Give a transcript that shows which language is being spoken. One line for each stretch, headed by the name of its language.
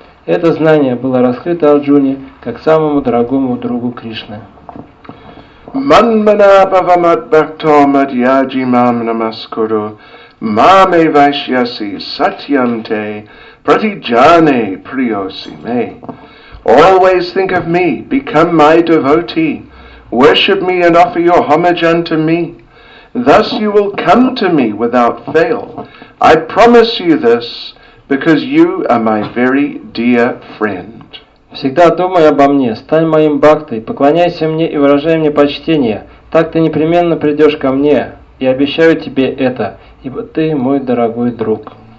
Russian: Это знание было раскрыто Арджуне как самому дорогому другу Кришны.
Sanskrit: Манмана бхавамат бхакто мадьяджи мам намаскуру маме вайшьяси сатьям те пратиджане приоси ме.
English: Always think of me, become my devotee, worship me and offer your homage unto me. Thus you will come to me without fail. I promise you this, because you are my very dear friend.
Russian: Всегда думай обо мне, стань моим бхактой, поклоняйся мне и выражай мне почтение. Так ты непременно придешь ко мне, и обещаю тебе это, ибо ты мой дорогой друг.